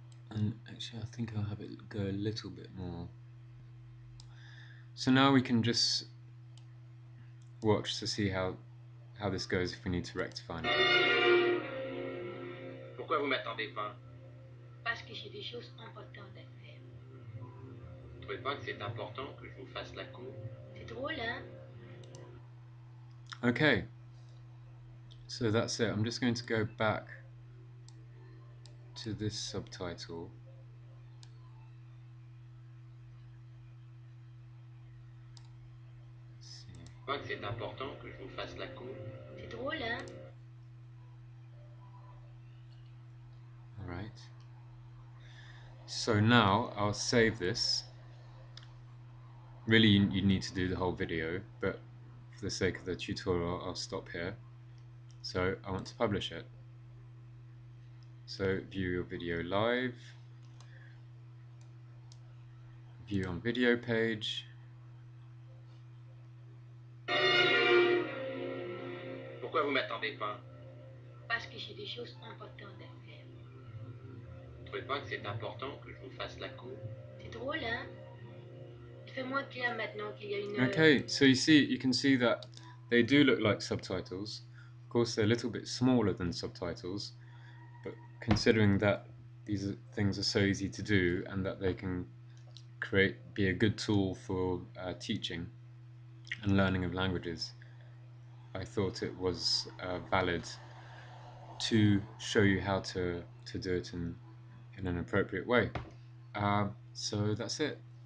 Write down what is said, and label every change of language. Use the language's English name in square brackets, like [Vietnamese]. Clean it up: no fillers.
[English] And actually, I think I'll have it go a little bit more. So now we can just watch to see how this goes if we need to rectify it. [French] Pourquoi vous m'attendez pas? Parce que j'ai des choses importantes à faire. Vous trouvez pas que c'est important que je vous fasse la cour? C'est drôle, hein? [English] Okay. So that's it. I'm just going to go back to this subtitle. [French] C'est important que je vous fasse la cour. C'est drôle, hein? [English] All right. So now I'll save this. Really, you need to do the whole video, but for the sake of the tutorial, I'll stop here. So I want to publish it. So view your video live. View on video page. [French] Pourquoi vous m'attendez pas? Parce que j'ai des choses importantes à faire. Vous trouvez pas que c'est important que je vous fasse la cour? C'est drôle, hein? [English] Okay, so you can see that they do look like subtitles. Of course, they're a little bit smaller than subtitles, but considering that these things are so easy to do and that they can be a good tool for teaching and learning of languages, I thought it was valid to show you how to do it in an appropriate way. So that's it.